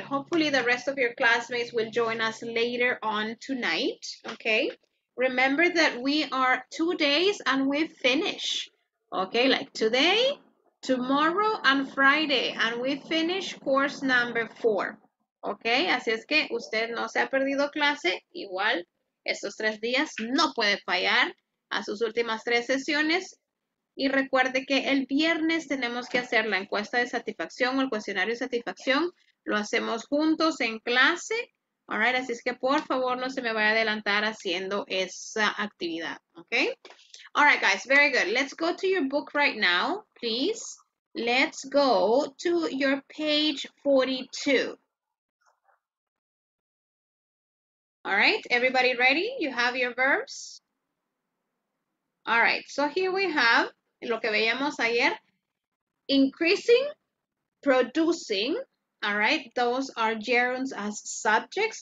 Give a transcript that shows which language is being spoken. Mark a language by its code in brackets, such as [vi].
[en] Hopefully the rest of your classmates will join us later on tonight, okay? Remember that we are 2 days and we finish, okay? Like today, tomorrow, and Friday, and we finish course number 4, okay? [es] Así es que usted no se ha perdido clase, igual estos 3 días no puede fallar a sus últimas 3 sesiones. Y recuerde que el viernes tenemos que hacer la encuesta de satisfacción o el cuestionario de satisfacción. Lo hacemos juntos en clase. All right, así es que por favor no se me vaya a adelantar haciendo esa actividad. [en] Okay? All right, guys, very good. Let's go to your book right now, please. Let's go to your page 42. All right, everybody ready? You have your verbs? All right, so here we have [es] lo que veíamos ayer, [en] increasing, producing, all right, those are gerunds as subjects.